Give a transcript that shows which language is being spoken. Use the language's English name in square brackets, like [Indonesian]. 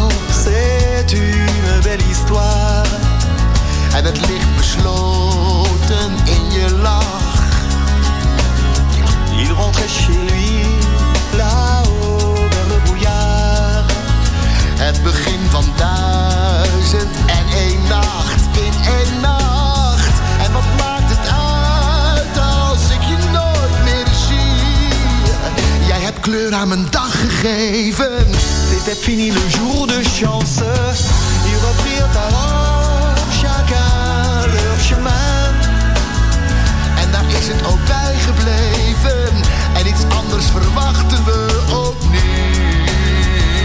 [French] C'est une belle histoire. [Dutch] En het ligt besloten in je lach. [French] Il rentrait chez lui, là-haut, dans le brouillard. [Dutch] Het begin van duizend en één nacht, in één nacht. En wat maakt het uit als ik je nooit meer zie? Jij hebt kleur aan mijn dag gegeven. [French] C'était fini le jour de chance. Ils reprirent alors chacun leur chemin. [Dutch] En daar is het ook bij gebleven. En iets anders verwachten we ook niet.